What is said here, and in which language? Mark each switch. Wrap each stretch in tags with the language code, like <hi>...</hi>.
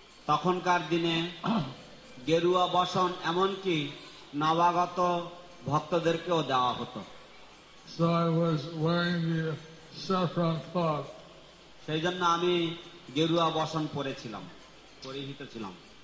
<bn>তখনকার দিনে গেরুয়া বসন এমনকি নবাগত ভক্তদেরকেও দেওয়া হতো।</bn> <en>So I was wearing the saffron cloth.</en> <bn>সেই জন্য আমি গেরুয়া বসন পরেছিলাম পরিহিত ছিলাম।</bn>